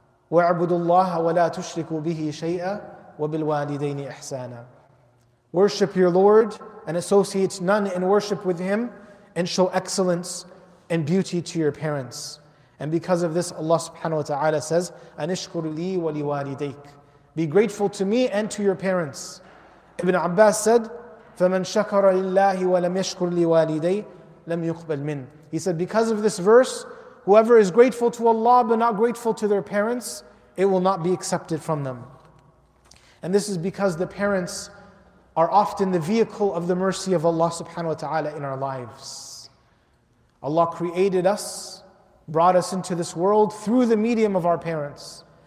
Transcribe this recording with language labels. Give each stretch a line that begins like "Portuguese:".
Arabic: وَاعْبُدُوا اللَّهَ وَلَا تُشْرِكُوا بِهِ شَيْئًا وَبِالْوَالِدَيْنِ إِحْسَانًا.
English: Worship your Lord and associate none in worship with Him, and show excellence and beauty to your parents. And because of this, Allah subhanahu wa ta'ala says,
Arabic: أَنِشْكُرُ لِي وَلِوَالِدَيْكَ.
English: Be grateful to me and to your parents. Ibn Abbas said,
Arabic: فَمَنْ شَكَرَ لِلَّهِ وَلَمْ يَشْكُرْ لِوَالِدَيْهِ لَمْ يُقْبَلْ مِنْ.
English: He said, because of this verse, whoever is grateful to Allah but not grateful to their parents, it will not be accepted from them. And this is because the parents are often the vehicle of the mercy of Allah subhanahu wa ta'ala in our lives. Allah created us, brought us into this world through the medium of our parents.